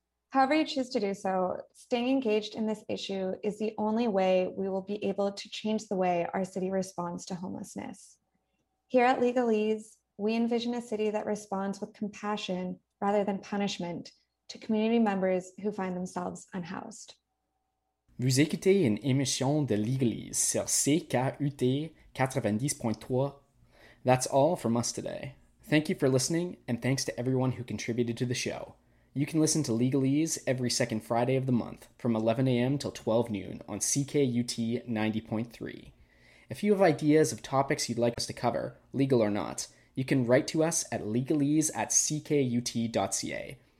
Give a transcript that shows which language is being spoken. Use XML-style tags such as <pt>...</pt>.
<en>However you choose to do so, staying engaged in this issue is the only way we will be able to change the way our city responds to homelessness. Here at Legalese, we envision a city that responds with compassion rather than punishment to community members who find themselves unhoused.</en> <fr>Vous écoutez une émission de Legalese sur CKUT 90.3.</fr> <en>That's all from us today. Thank you for listening, and thanks to everyone who contributed to the show. You can listen to Legalese every second Friday of the month from 11 a.m. till 12 noon on CKUT 90.3. If you have ideas of topics you'd like us to cover, legal or not, you can write to us at legalese@ckut.ca.</en>